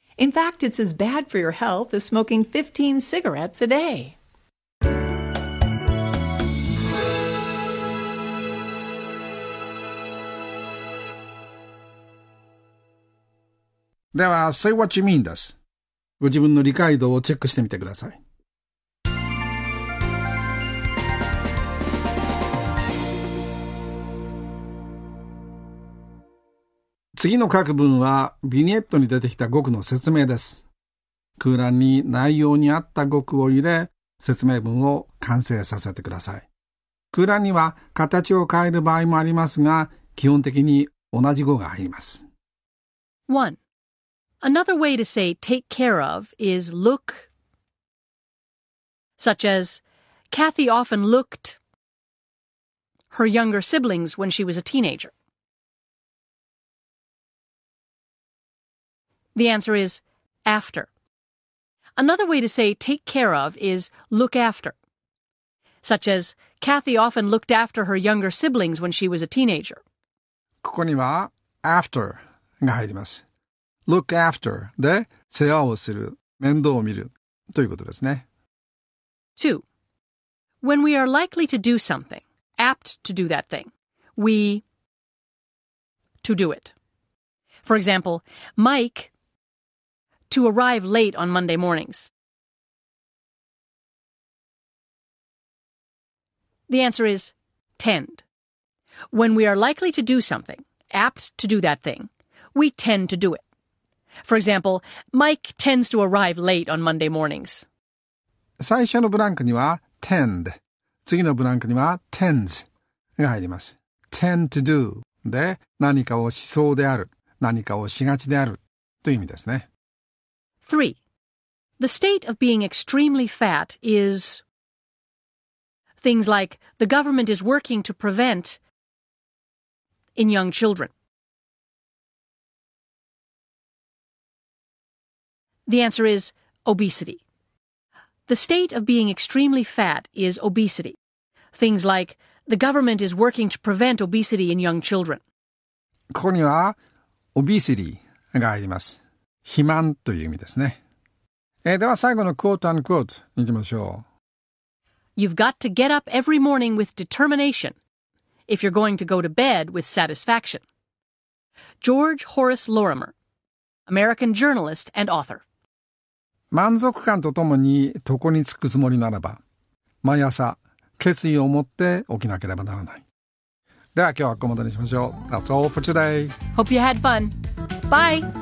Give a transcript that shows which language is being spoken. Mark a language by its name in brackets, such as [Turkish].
[English] In fact, it's as bad for your health as smoking 15 cigarettes a day. [Japanese] では、 [English] Say What You Mean [Japanese] です。ご自分の理解度をチェックしてみてください。次の各文は、ビニエットに出てきた語句の説明です。空欄に内容に合った語句を入れ、説明文を完成させてください。空欄には形を変える場合もありますが、基本的に同じ語が入ります。 1. [English] Another way to say take care of is look, such as Kathy often looked her younger siblings when she was a teenager. The answer is after. Another way to say take care of is look after, such as Kathy often looked after her younger siblings when she was a teenager. [Japanese] ここには after が入ります。 [English] Look after [Japanese] で世話をする、面倒を見るということですね。 2. [English] When we are likely to do something, apt to do that thing, we to do it. For example, Mike to arrive late on Monday mornings. The answer is tend. When we are likely to do something, apt to do that thing, we tend to do it. For example, Mike tends to arrive late on Monday mornings. [Japanese] 最初のブランクには tend、次のブランクには tends が入ります。 tend to do で何かをしそうである、何かをしがちであるという意味ですね。 3. [English] The state of being extremely fat is things like the government is working to prevent in young children. The answer is obesity. The state of being extremely fat is obesity. Things like the government is working to prevent obesity in young children. [Japanese] ここには obesity があります。肥満という意味ですね。では最後のクォートアンクォートにいきましょう。 [English] You've got to get up every morning with determination if you're going to go to bed with satisfaction. George Horace Lorimer, American journalist and author. [Japanese] 満足感とともに床につくつもりならば、毎朝決意を持って起きなければならない。では今日はここまでにしましょう。 [English] That's all for today. Hope you had fun. Bye!